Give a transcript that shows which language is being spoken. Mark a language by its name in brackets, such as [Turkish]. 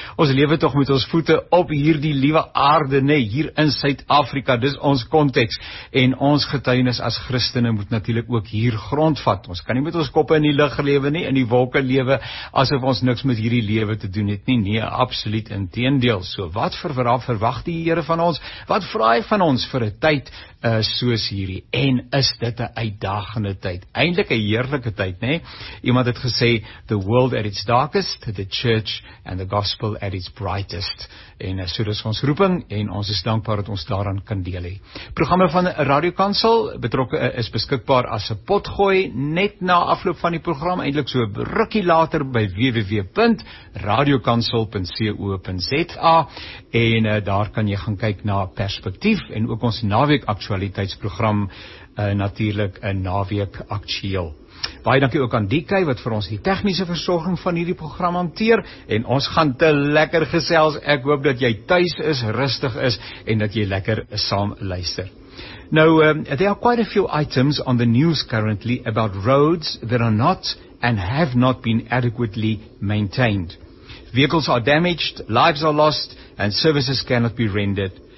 [Afrikaans] Ons lewe toch met ons voete op hierdie liewe aarde, nee, hier in Suid-Afrika, dis ons konteks. En ons getuienis as Christene moet natuurlik ook hier grondvat. Ons kan nie met ons koppe in die lig lewe nie, in die wolke lewe, asof ons niks met hierdie lewe te doen het nie. Nee, absoluut inteendeel. So wat verwag die Here van ons? Wat vra hy van ons vir 'n tyd soos hierdie? En is dit 'n uitdagende tyd? Eindelijk 'n heerlike tyd, nee? Iemand het gesê, [English] the world at its darkest, the church and the gospel at its brightest. [Afrikaans] En so dis ons roeping en ons is dankbaar dat ons daaraan kan deel hê. Programme van Radio Kansel betrokke is beskikbaar as 'n potgooi net na afloop van die program, eindelijk so rukkie later by www.radiokansel.co.za en daar kan jy gaan kyk na Perspektief en ook ons naweek aktualiteitsprogram natuurlik naweek aktueel. Baie dankie ook aan DK wat vir ons die tegniese versorging van hierdie program hanteer en ons gaan te lekker gesels. Ek hoop dat jy thuis is, rustig is en dat jy lekker saam luister. [English] Now, there are quite a few items on the news currently about roads that are not and have not been adequately maintained. Vehicles are damaged, lives are lost, and services cannot be rendered.